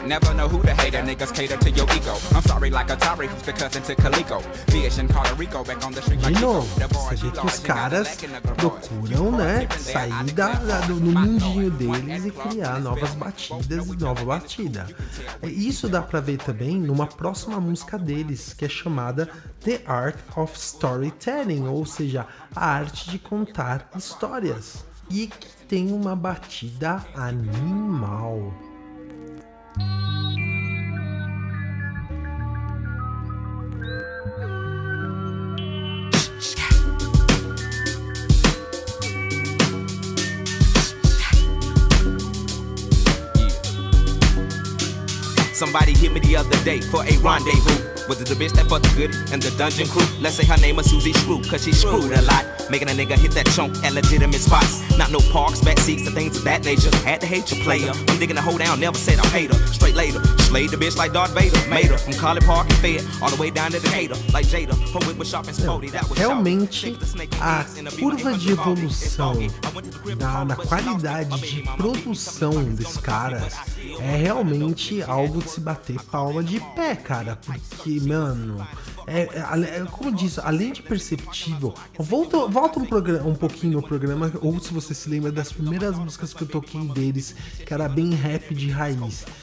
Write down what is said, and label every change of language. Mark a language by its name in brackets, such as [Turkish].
[English] Never know who to hate, a niggas cater to your ego. I'm sorry like Atari, who's the cousin to Coleco. Bitch in Puerto Rico, back on the street like Chico. [Portuguese] Você vê que os caras procuram, né, sair do mundinho deles e criar novas batidas e nova batida. Isso dá pra ver também numa próxima música deles, que é chamada The Art of Storytelling, ou seja, a arte de contar histórias, e que tem uma batida animal. [English] Somebody hit me the other day for a rendezvous. Was it the bitch that fucked the good and the dungeon crew? Let's say her name was Susie Screw, cause she screwed a lot. Making a nigga hit that chunk at legitimate spots. Not no parks, back seats, and things of that nature. Had to hate your player. I'm digging a hole down, never said I hate her. Straight later, slayed the bitch like Darth Vader. Made her from Collie Park and Fed, all the way down to Decatur. Like Jada, her wit was sharp and spotty. That was [Portuguese] realmente a curva de evolução na qualidade de produção dos caras é realmente algo de se bater palma de pé, cara. Porque, mano, como diz, além de perceptível, volta um pouquinho no programa, ou se você se lembra das primeiras músicas que eu toquei deles, que era bem rap de raiz.